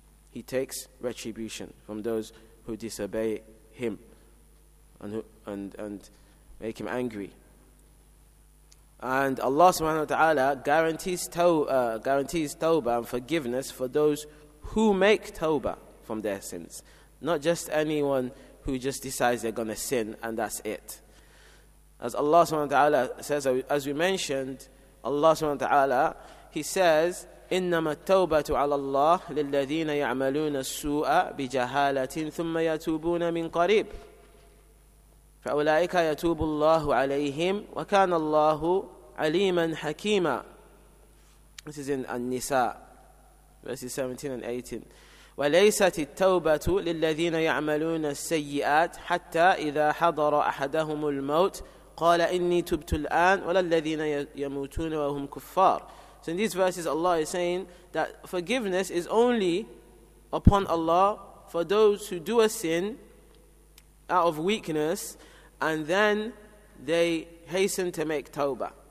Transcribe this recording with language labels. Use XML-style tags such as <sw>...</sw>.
<en>He takes retribution from those who disobey Him and make Him angry. And Allah subhanahu wa ta'ala guarantees tawbah and forgiveness for those who make tawbah from their sins. Not just anyone who just decides they're going to sin and that's it. As Allah subhanahu wa ta'ala says, as we mentioned, Allah subhanahu wa ta'ala, He says,</en> <ar>إِنَّمَا التَّوْبَةُ عَلَى اللَّهِ لِلَّذِينَ يَعْمَلُونَ السُّوءَ بِجَهَالَةٍ ثُمَّ يَتُوبُونَ مِنْ قَرِيبٍ فَأُولَٰئِكَ يَتُوبُ اللَّهُ عَلَيْهِمْ وَكَانَ اللَّهُ عَلِيمًا حَكِيمًا.</ar> <en>This is in An-Nisa, verses 17 and 18.</en> <ar>وَلَيْسَتِ التَّوْبَةُ لِلَّذِينَ يَعْمَلُونَ السَّيِّئَاتِ حَتَّى إِذَا حَضَرَ أَحَدَهُمُ الْمَوْتِ قَالَ إِنِّي تُبْتُ الْآنَ وَلَا الَّذِينَ يَمُوتُونَ وَهُمْ كُفَّارٌ.</ar> <en>So in these verses, Allah is saying that forgiveness is only upon Allah for those who do a sin out of weakness, and then they hasten to make tawbah.</en>